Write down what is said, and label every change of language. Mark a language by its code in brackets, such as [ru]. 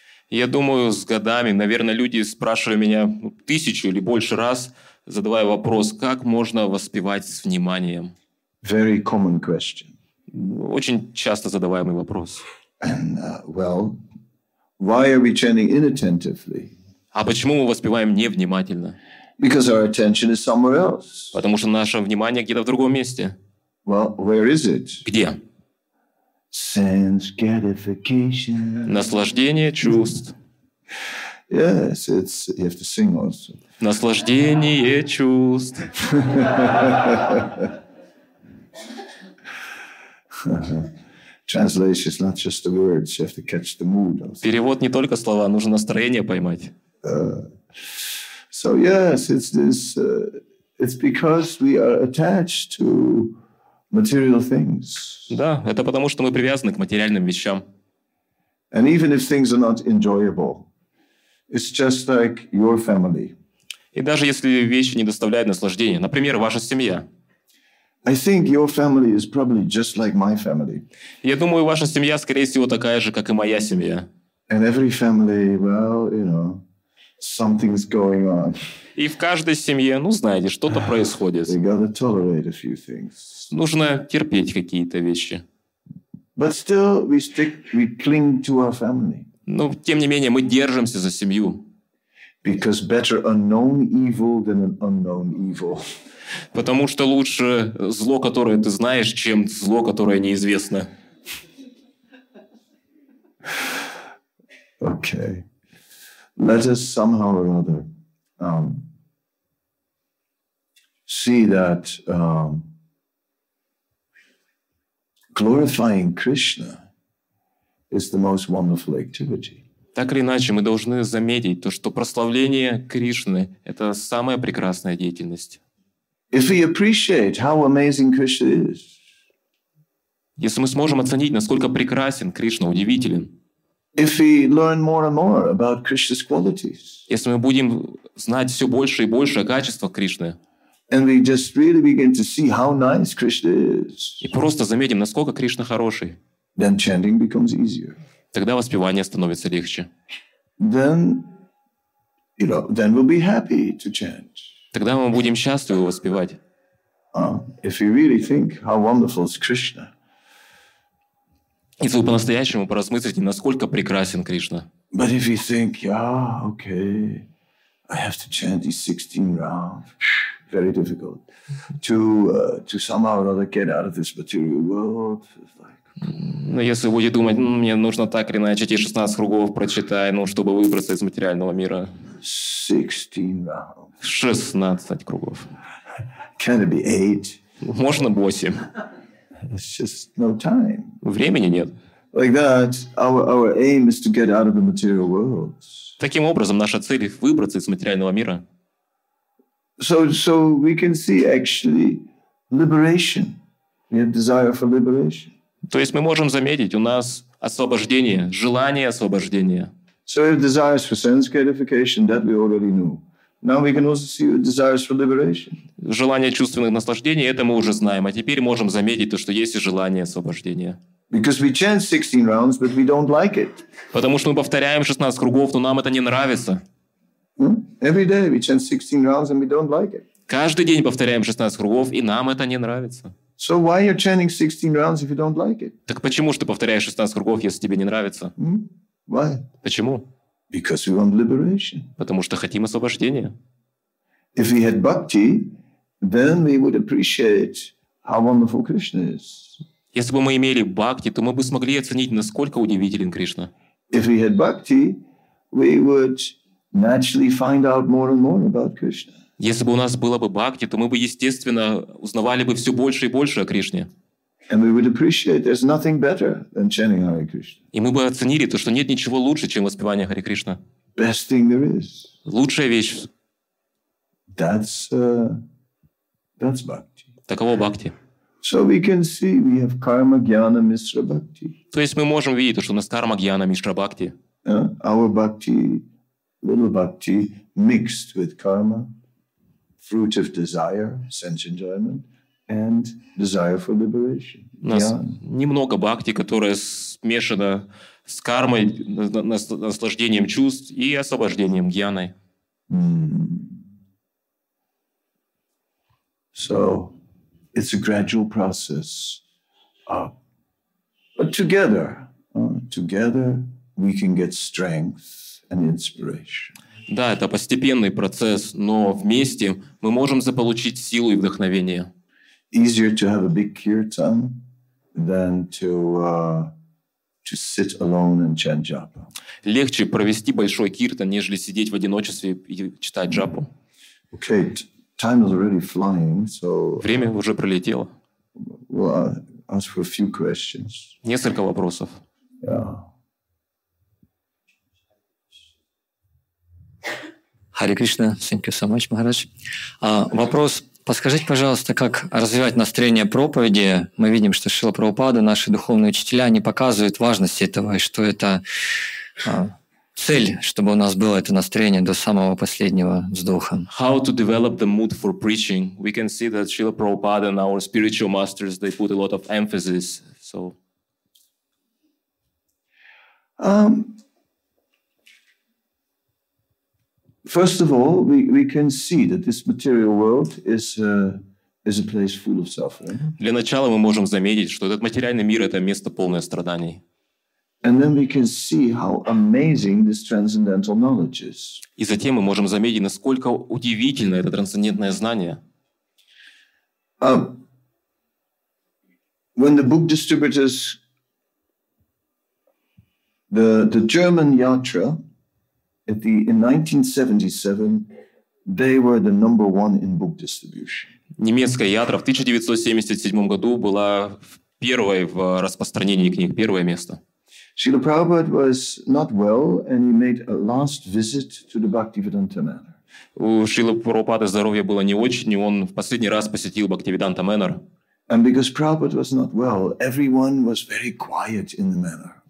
[ru] Я думаю, с годами, наверное, люди спрашивали меня тысячу или больше раз, задавая вопрос, как можно воспевать с вниманием? [en] Very common question. [ru] Очень часто задаваемый вопрос. [en] And, well, why are we chanting inattentively? [ru] А почему мы воспеваем невнимательно? [en] Because our attention is somewhere else. [ru] Потому что наше внимание где-то в другом месте. [en] Well, where is it? [ru] Где? [en] Sense gratification. [ru] Наслаждение чувств. [en] Yes, it's you have to sing also. [ru] Наслаждение чувств. [en] Translation is not just the words, you have to catch the mood. [ru] Перевод не только слова, нужно настроение поймать. [en] So yes, it's this it's because we are attached to material things. [ru] Да, это потому что мы привязаны к материальным вещам. [en] And even if things are not enjoyable, it's just like your family. [ru] И даже если вещи не доставляют наслаждения, например, ваша семья. [en] I think your family is probably just like my family. [ru] Я думаю, ваша семья скорее всего такая же, как и моя семья. [en] And every family, well, you know, something's going on. [ru] И в каждой семье, ну, знаете, что-то происходит. [en] They gotta tolerate a few things. [ru] Нужно терпеть какие-то вещи. [en] But still we stick, we cling to our family. [ru] Но, тем не менее, мы держимся за семью. [en] Because better unknown evil than an unknown evil. [ru] Потому что лучше зло, которое ты знаешь, чем зло, которое неизвестно. [en] Okay. Let us somehow or other see that glorifying Krishna is the most wonderful activity. [ru] Так или иначе, мы должны заметить то, что прославление Кришны — это самая прекрасная деятельность. [en] If we appreciate how amazing Krishna is, [ru] если мы сможем оценить, насколько прекрасен Кришна, удивителен. [en] If we learn more and more about Krishna's qualities, [ru] если мы будем знать все больше и больше о качествах Кришны, [en] and we just really begin to see how nice Krishna is, [ru] и просто заметим, насколько Кришна хороший, [en] then chanting becomes easier. [ru] Тогда воспевание становится легче. [en] Then, you know, then we'll be happy to chant. [ru] Тогда мы будем счастливы воспевать. [en] If we really think how wonderful is Krishna. [ru] Если вы по-настоящему поразмыслите, насколько прекрасен Кришна. [en] But if you think, yeah, okay, I have to chant these 16 rounds, very difficult, to somehow or other get out of this material world. [ru] Но если будете думать, мне нужно так или иначе эти 16 кругов прочитать, ну, чтобы выбраться из материального мира. 16 кругов. [en] Can it be 8? [ru] Можно 8. [en] It's just no time. [ru] Времени нет. [en] Like that, our aim is to get out of the material world. [ru] Таким образом, наша цель — выбраться из материального мира. [en] So we can see actually liberation. We have desire for liberation. [ru] То есть мы можем заметить, у нас освобождение, желание освобождения. [en] So we have desires for sense gratification that we already knew. Now we can also see the desires for liberation. [ru] Желание чувственных наслаждений это мы уже знаем, а теперь можем заметить то, что есть и желание освобождения. [en] Because we chant 16 rounds, but we don't like it. [ru] Потому что мы повторяем 16 кругов, но нам это не нравится. [en] Every day we chant 16 rounds and we don't like it. [ru] Каждый день повторяем 16 кругов и нам это не нравится. [en] So why are you chanting 16 rounds if you don't like it? [ru] Так почему же ты повторяешь 16 кругов, если тебе не нравится? [en] Why? [ru] Почему? [en] Because we want liberation. [ru] Потому что хотим освобождения. [en] If we had bhakti, then we would appreciate how wonderful Krishna is. [ru] Если бы мы имели бхакти, то мы бы смогли оценить, насколько удивителен Кришна. [en] If we had bhakti, we would naturally find out more and more about Krishna. [ru] Если бы у нас было бы бхакти, то мы бы естественно узнавали бы все больше и больше о Кришне. [en] And we would appreciate there's nothing better than chanting Hare Krishna. [ru] И мы бы оценили то, что нет ничего лучше, чем воспевание Хари Кришна. [en] Best thing there is. [ru] Лучшая вещь. [en] That's bhakti. [ru] Таково бхакти. [en] So we can see we have karma jnana mishra bhakti. [ru] То есть мы можем видеть то, что у нас карма гьяна мишра бхакти. [en] Our bhakti, little bhakti mixed with karma, fruit of desire, sense enjoyment. And desire for liberation. [ru] У нас немного бхакти, которая смешана с кармой, наслаждением чувств и освобождением гьяной. [en] So it's a gradual process. But together we can get strength and inspiration. [ru] Да, это постепенный процесс, но вместе мы можем заполучить силу и вдохновение. [en] Easier to have a big kirtan than to sit alone and chant japa. [ru] Легче провести большой киртан, нежели сидеть в одиночестве и читать джапу. [en] Okay, time is already flying, so. [ru] Время уже пролетело. [en] Well, I'll ask for a few questions. [ru] Несколько вопросов. [en] Yeah. Hare Krishna, thank you so much, Maharaj. [ru] Вопрос. Подскажите, пожалуйста, как развивать настроение проповеди? Мы видим, что Шрила Прабхупада, наши духовные учителя, они показывают важность этого, и что это цель, чтобы у нас было это настроение до самого последнего вздоха. [en] How to develop the mood for preaching? We can see that Shrila Prabhupada and our spiritual masters, they put a lot of emphasis. So, First of all, we can see that this material world is a place full of suffering. [ru] Для начала мы можем заметить, что этот материальный мир — это место полное страданий. [en] And then we can see how amazing this transcendental knowledge is. [ru] И затем мы можем заметить, насколько удивительно это трансцендентное знание. [en] When the book distributors, the German Yatra. In 1977, they were the number one in book distribution. [ru] Немецкая ятра в 1977 году была первой в распространении книг, первое место. [en] Srila Prabhupada was not well, and he made a last visit to the Bhaktivedanta Manor. [ru] У Шрилы Прабхупады здоровье было не очень, и он в последний раз посетил Бхактивиданта Мэнор. [en] And because Prabhupada was not well, everyone was very quiet in the manor.